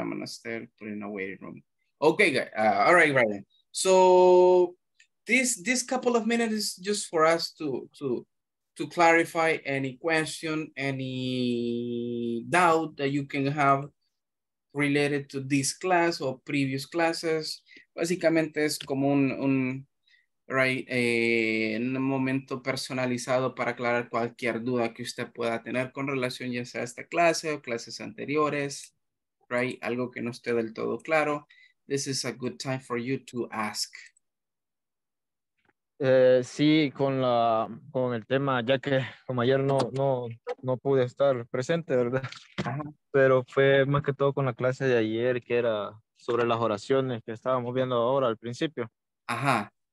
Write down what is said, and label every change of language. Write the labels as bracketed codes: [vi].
[en] I'm gonna start putting a waiting room. Okay, all right, Brian. So this couple of minutes is just for us to clarify any question, any doubt that you can have related to this class or previous classes. [es] Básicamente es como un momento personalizado para aclarar cualquier duda que usted pueda tener con relación ya sea a esta clase o clases anteriores, right? Algo que no esté del todo claro. [en] This is a good time for you to ask. [es] Sí, con el tema, ya que como ayer no pude estar presente, ¿verdad? Pero fue más que todo con la clase de ayer que era sobre las oraciones que estábamos viendo ahora al principio. Ajá.